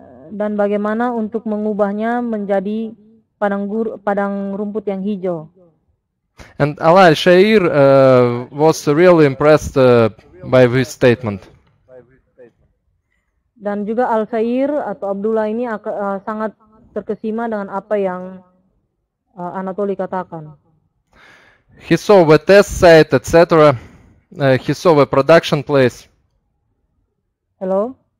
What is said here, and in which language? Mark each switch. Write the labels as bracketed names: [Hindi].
[Indonesian] Dan bagaimana untuk mengubahnya menjadi padang rumput yang hijau? [English] And Alai Shair was really impressed by this statement. [Indonesian] Dan juga Al Shair atau Abdullah ini sangat terkesima dengan apa yang Anatoli katakan. [English] He saw the test site, etc. He saw the production place. Hello?